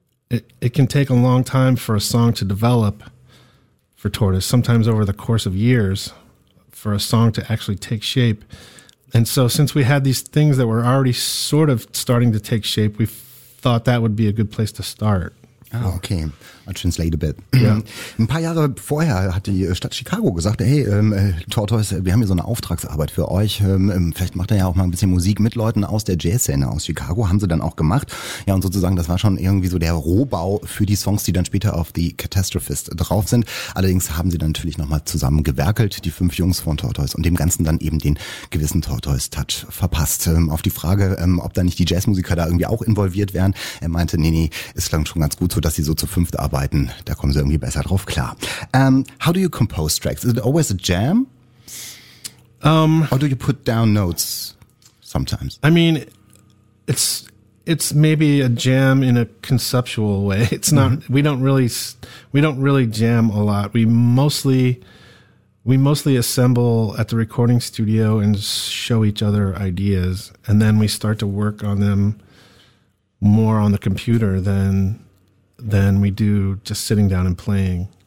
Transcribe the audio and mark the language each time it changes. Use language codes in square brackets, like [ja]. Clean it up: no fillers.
[en] It can take a long time for a song to develop for Tortoise, sometimes over the course of years, for a song to actually take shape. And so since we had these things that were already sort of starting to take shape, we thought that would be a good place to start. Oh, okay. I'll translate a bit. Yeah. [de] Ein paar Jahre vorher hat die Stadt Chicago gesagt, hey, Tortoise, wir haben hier so eine Auftragsarbeit für euch. Vielleicht macht er ja auch mal ein bisschen Musik mit Leuten aus der Jazz-Szene aus Chicago. Haben sie dann auch gemacht. Ja, und sozusagen, das war schon irgendwie so der Rohbau für die Songs, die dann später auf The Catastrophist drauf sind. Allerdings haben sie dann natürlich nochmal zusammen gewerkelt, die fünf Jungs von Tortoise, und dem Ganzen dann eben den gewissen Tortoise-Touch verpasst. Auf die Frage, ob da nicht die Jazzmusiker da irgendwie auch involviert wären, er meinte, nee, es klang schon ganz gut so, dass sie so zu fünft arbeiten, da kommen sie irgendwie besser drauf klar. [en] How do you compose tracks? Is it always a jam? Or do you put down notes sometimes? I mean, it's maybe a jam in a conceptual way. It's not, mm-hmm. we don't really jam a lot. We mostly assemble at the recording studio and show each other ideas, and then we start to work on them more on the computer than we do just sitting down and playing.